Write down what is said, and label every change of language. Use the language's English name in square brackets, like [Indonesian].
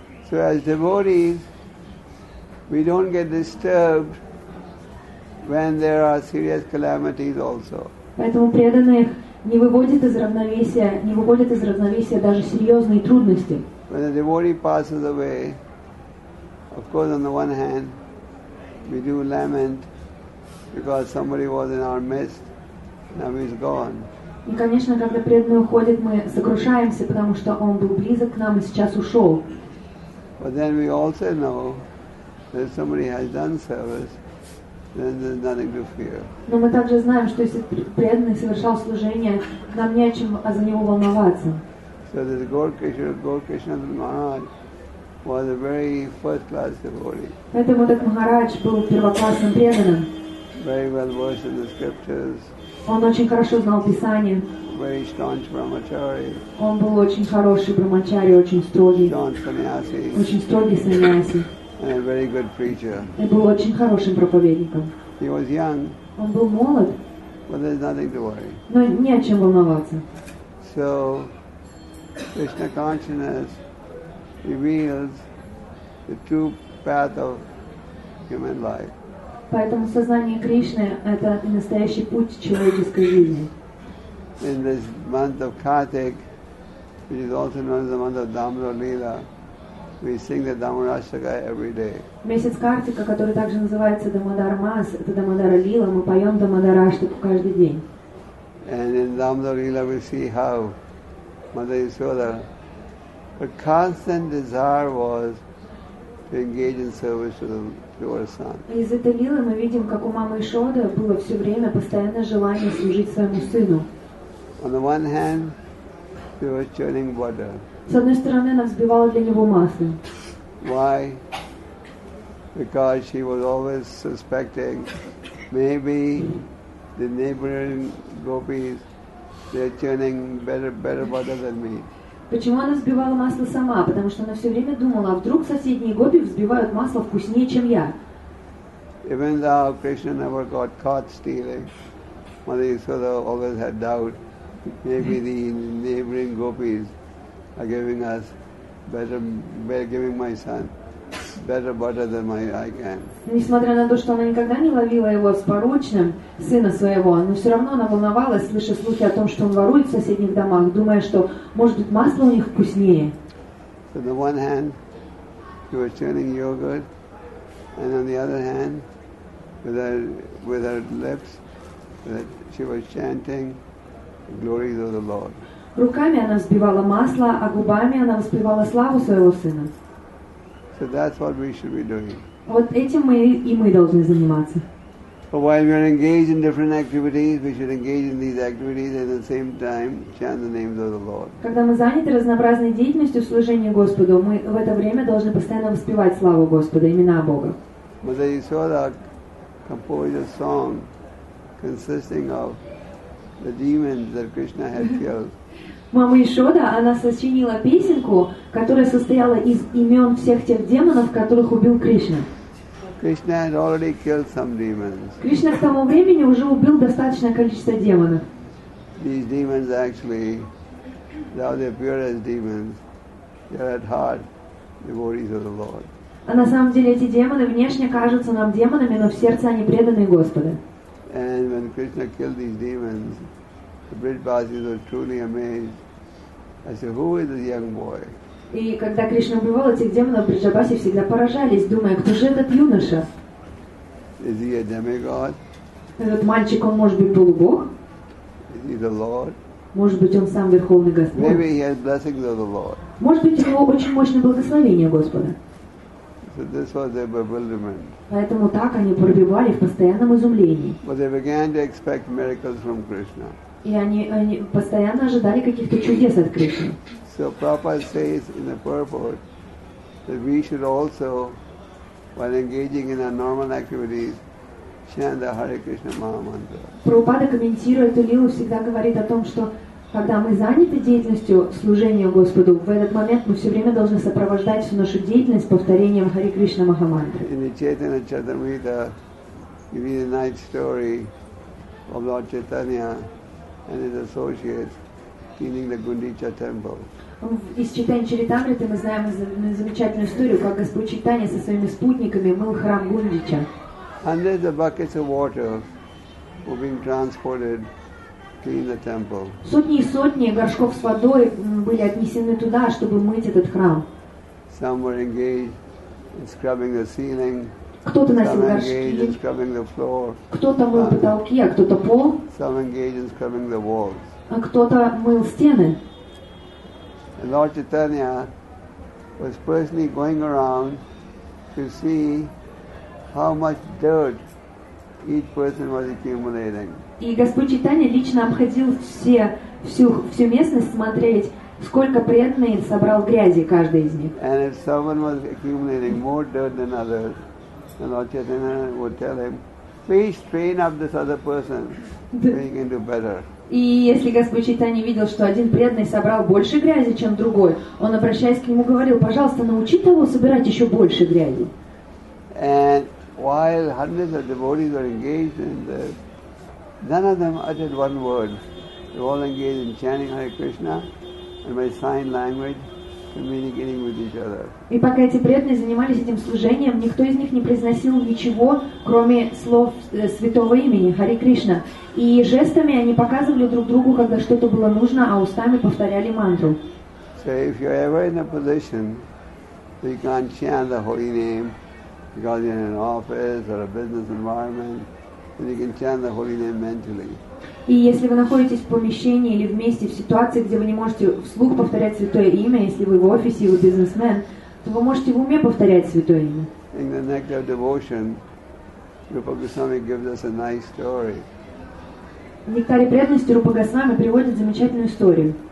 [English] So as devotees, we don't get disturbed when there are serious calamities also. [Russian] Поэтому преданные не выводит из равновесия даже серьезные трудности. [English] When a devotee passes away, of course, on the one hand, we do lament because somebody was in our midst, now he's gone. [Russian] И, конечно, когда преданный уходит, мы сокрушаемся, потому что он был близок к нам и сейчас ушел. [English] But then we also know that if somebody has done service, then there's nothing to fear. [Russian] Но мы также знаем, что если преданный совершал служение, нам не о чем за него волноваться. [English] So this Gaur-Krishnadatta Maharaj was a very first-class devotee. [Russian] Поэтому этот Махарадж был первоклассным преданным. [English] Very well versed in the scriptures. [Russian] Он очень хорошо знал Писание. [English] Very staunch brahmachari. [Russian] Он был очень хороший брахмачари, очень строгий. [English] Staunch sannyasi. [Russian] Очень строгий саньяси. [English] And a very good preacher. [Russian] И был очень хорошим проповедником. [English] He was young. [Russian] Он был молод. [English] But there's nothing to worry. [Russian] Но не о чем волноваться. [English] So Krishna consciousness reveals the true path of human life. [Russian] Поэтому сознание Кришны — это настоящий путь человеческой жизни. [English] In this month of Kartik, which is also known as the month of Damodara Lila, we sing the Dhammarashtaka every day. [Russian] Месяц Картика, который также называется Дамодара Мас, это Дамодара Лила, мы поем Дамодараштаку каждый день. [English] And in Дамодара Лила we see how Mother Yasoda, her constant desire was to engage in service to her son. [Russian] Из этой лилы мы видим, как у мамы Ишоды было все время постоянное желание служить своему сыну. [English] On the one hand, she was churning butter. [Russian] С одной стороны, она взбивала для него масло. [English] Why? Because she was always suspecting maybe the neighboring gopis, they're churning better butter than me. [Russian] Почему она взбивала масло сама? Потому что она все время думала, а вдруг соседние гопи взбивают масло вкуснее, чем я. [English] Even though Krishna never got caught stealing, Mother Yasoda always had doubt, maybe the neighboring gopis are giving us giving my son better butter than I can. [Russian] Несмотря на то, что она никогда не ловила его с порочным, сына своего, но все равно она волновалась, слыша слухи о том, что он ворует в соседних домах, думая, что, может быть, масло у них вкуснее. [English] So on the one hand, she was churning yogurt, and on the other hand, with her lips, that she was chanting the glories of the Lord. [Russian] Руками она взбивала масло, а губами она воспевала славу своего сына. [English] So that's what we should be doing. [Russian] Вот этим мы должны заниматься. [English] But while we are engaged in different activities, we should engage in these activities and at the same time chant the names of the Lord. [Russian] Когда мы заняты разнообразной деятельностью в служении Господу, мы в это время должны постоянно воспевать славу Господа, имена Бога. [English] Mother Yasoda composed a song consisting of the demons that Krishna had killed. [Russian] Мама Ишода, она сочинила песенку, которая состояла из имен всех тех демонов, которых убил Кришна. [English] Krishna had already killed some demons. [Russian] Кришна к тому времени уже убил достаточное количество демонов. [English] These demons actually, though they appear as demons, they're at heart devotees of the Lord. [Russian] А на самом деле эти демоны внешне кажутся нам демонами, но в сердце они преданные Господу. [English] And when Krishna killed these demons, the Brijbasis were truly amazed. I said, who is this young boy? [Russian] И когда Кришна убивал этих демонов, Бриджабаси всегда поражались, думая, кто же этот юноша? [English] Is he a demigod? [Russian] Этот мальчик, он может быть полубог? [English] Is he the Lord? [Russian] Может быть, он сам Верховный Господь? [English] Maybe he has blessings of the Lord. [Russian] Может быть, у него очень мощное благословение Господа? [English] So this was their bewilderment. [Russian] Поэтому так они пробивали в постоянном изумлении. [English] But they began to expect miracles from Krishna. [Russian] И они постоянно ожидали каких-то чудес от Кришны. [English] So Prabhupada says in the purport that we should also, while engaging in our normal activities, chant the Hare Krishna Maha Mantra. [Russian] Prabhupada, комментируя эту лилу, всегда говорит о том, что когда мы заняты деятельностью служения Господу, в этот момент мы все время должны сопровождать всю нашу деятельность повторением Hare Krishna Maha Mantra. [English] In the Chaitanya Charitamrita, you read a nice story of Lord Chaitanya and his associates cleaning the Gundicha temple. [Russian] Из Чайтаньи Чаритамриты мы знаем замечательную историю, как Господь Чайтанья со своими спутниками мыл храм Гундича. [English] Hundreds of buckets of water were being transported to clean the temple. [Russian] Сотни и сотни горшков с водой были отнесены туда, чтобы мыть этот храм. [English] Some were engaged in scrubbing the ceiling. [Russian] Кто-то носил горшки. Кто-то мыл потолки, а кто-то пол. [English] Some engaged in scrubbing the walls. [Russian] А кто-то мыл стены. [English] And Lord Chaitanya was personally going around to see how much dirt each person was accumulating. [Russian] И Господь Чайтанья лично обходил всю местность смотреть, сколько преданный собрал грязи каждый из них. [English] And if someone was accumulating more dirt than others, then Lord Chaitanya would tell him, please train up this other person to bring into better. [Russian] И если Господь Чайтанья видел, что один преданный собрал больше грязи, чем другой, он, обращаясь к нему, говорил, пожалуйста, научи того собирать еще больше грязи. [English] And while hundreds of devotees were engaged in this, none of them uttered one word. They were all engaged in chanting Hare Krishna and by sign language communicating with each other. [Russian] И пока эти преданные занимались этим служением, никто из них не произносил ничего, кроме слов святого имени Хари Кришна. И жестами они показывали друг другу, когда что-то было нужно, а устами повторяли мантру. [English] So if you're ever in a position, you can't chant the holy name because you're in an office or a business environment, then you can chant the holy name mentally. [Russian] И если вы находитесь в помещении или вместе в ситуации, где вы не можете вслух повторять святое имя, если вы в офисе, вы бизнесмен, то вы можете в уме повторять святое имя. [English] In the nectar of devotion, Rupa Goswami gives us a nice story. [Russian] В нектаре преданности Рупа Госвами приводит замечательную историю.